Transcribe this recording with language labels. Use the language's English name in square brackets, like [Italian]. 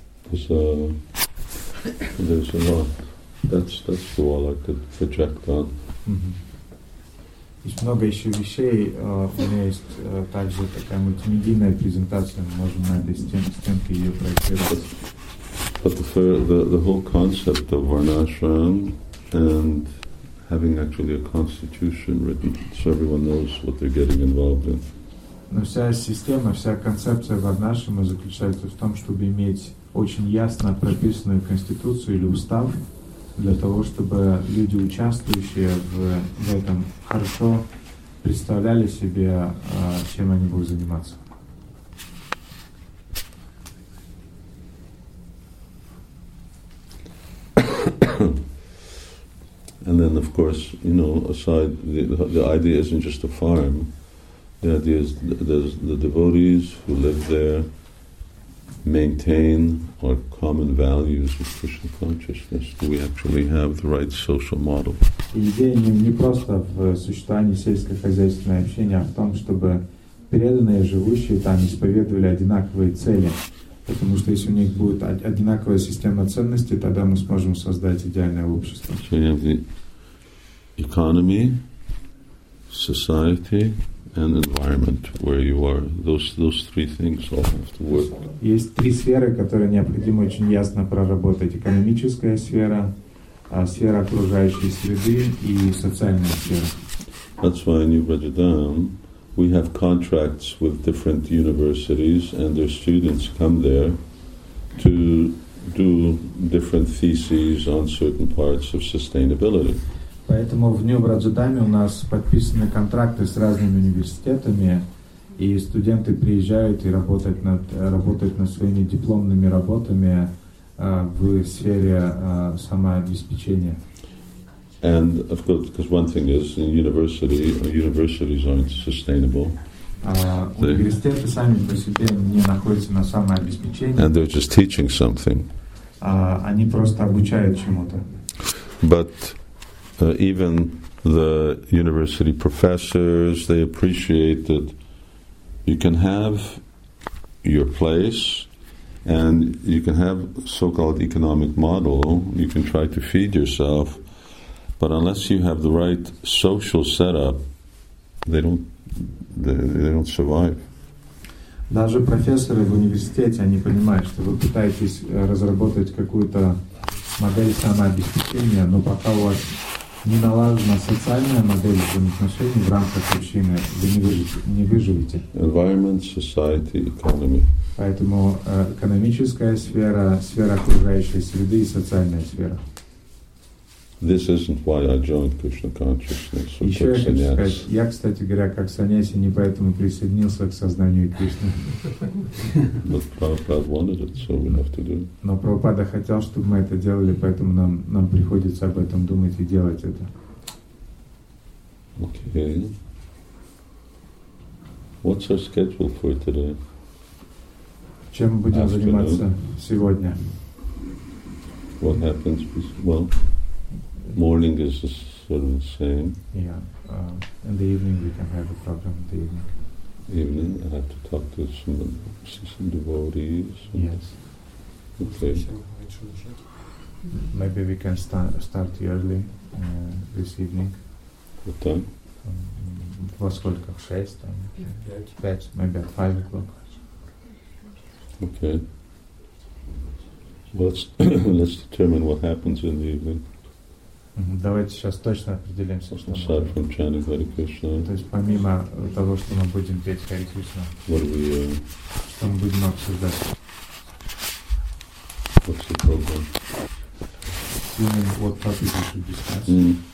[English] There's a lot. That's the wall I could project on. [Russian] Есть много еще вещей. У меня есть также такая мультимедийная презентация. Мы можем на этой стенке ее проектировать. [English] But the whole concept of Varnashram and having actually a constitution written so everyone knows what they're getting involved in. [Russian] Но вся система, вся концепция Варнашрама заключается в том, чтобы иметь очень ясно прописанную конституцию или устав для того, чтобы люди, участвующие в этом, хорошо представляли себе, чем они будут заниматься. [English] And then, of course, you know, aside the idea isn't just a farm. The idea is there's the devotees who live there. Maintain our common values of Krishna consciousness. Do we actually have the right social model? [Russian] Идея не просто в существовании сельскохозяйственного общения, а в том, чтобы преданные, живущие там, исповедовали одинаковые цели. Потому что если у них будет одинаковая система ценностей, тогда мы сможем создать идеальное общество. [English] So we have the economy, society, and environment where you are. Those three things all have to work. [Russian] Есть три сферы, которые необходимо очень ясно проработать. Экономическая сфера, сфера окружающей среды и социальная сфера. [English] That's why in New Vrindavan we have contracts with different universities and their students come there to do different theses on certain parts of sustainability. [Russian] Поэтому в Нью-Браджедаме у нас подписаны контракты с разными университетами, И студенты приезжают и работают над своими дипломными работами в сфере самообеспечения. [English] And of course, because one thing is, in university, universities aren't sustainable. [Russian] Университеты сами по себе не находятся на самообеспечении. [English] And they're just teaching something. [Russian] Они просто обучают чему-то. [English] But even the university professors, they appreciate that you can have your place and you can have so-called economic model, you can try to feed yourself, but unless you have the right social setup, they don't survive. [Russian] Даже профессоры в университете, они понимают, что вы пытаетесь разработать какую-то модель самообеспечения, но пока у вас не налажена социальная модель взаимоотношений в рамках общины, вы не выживете. [English] Environment, society, economy. [Russian] Поэтому экономическая сфера, сфера окружающей среды и социальная сфера. [English] This isn't why I joined Krishna consciousness. [Russian] Еще я хочу сказать, я, кстати говоря, как саньяси, не поэтому присоединился к сознанию Кришны. [English] But Prabhupada wanted it, so we have to do. [Russian] Но Прабхупада хотел, чтобы мы это делали, поэтому нам приходится об этом думать и делать это. [English] Okay. What's our schedule for today? [Russian] Чем мы будем заниматься сегодня? [English] What happens? Well. Morning is sort of the same. Yeah. In the evening we can have a program in the evening. Evening, I have to talk to some devotees. Yes. Okay. Maybe we can start early this evening. What time? [Russian] Во сколько? В шесть? Пять. [English] Maybe at 5 o'clock. Okay. Let's let's determine what happens in the evening. [Russian] Давайте сейчас точно определимся, что [English] aside from chanting Hare Krishna, [Russian] то есть помимо того, что мы будем петь Hare Krishna, что мы будем обсуждать? [English] What's the program? Evening, what topic we should discuss? Mm.